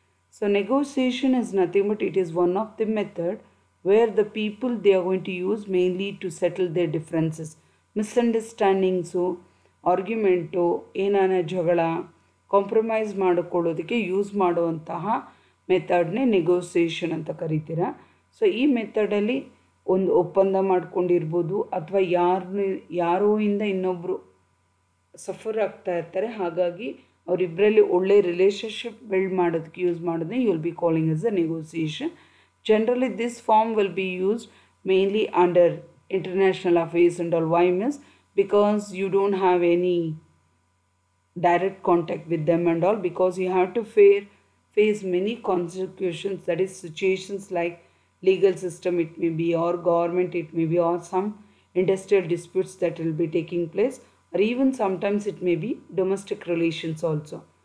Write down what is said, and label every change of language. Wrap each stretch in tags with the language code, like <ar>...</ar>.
<en>So negotiation is nothing but it is one of the method where the people they are going to use mainly to settle their differences, misunderstandings, argument,</en> <kn>enana jagala, compromise madakolodike use maduvantaha ಮೆಥಡ್ನೇ negotiation ಅಂತ ಕರೀತೀರ. So ಈ ಮೆಥಡಲ್ಲಿ ಒಂದು ಒಪ್ಪಂದ ಮಾಡ್ಕೊಂಡಿರ್ಬೋದು ಅಥವಾ ಯಾರೋಯಿಂದ ಇನ್ನೊಬ್ಬರು suffer ಆಗ್ತಾ ಇರ್ತಾರೆ, ಹಾಗಾಗಿ ಅವರಿಬ್ಬರಲ್ಲಿ ಒಳ್ಳೆ ರಿಲೇಷನ್ಶಿಪ್ ಬಿಲ್ಡ್ ಮಾಡೋದಕ್ಕೆ ಯೂಸ್ ಮಾಡೋದನ್ನ</kn> <en>You will be calling is a negotiation. Generally this form will be use mainly under international affairs and all. Why means because you don't have any direct contact with them and all, because you have to face many consequences, that is situations like legal system it may be, or government it may be, or some industrial disputes that will be taking place, or even sometimes it may be domestic relations also.</en>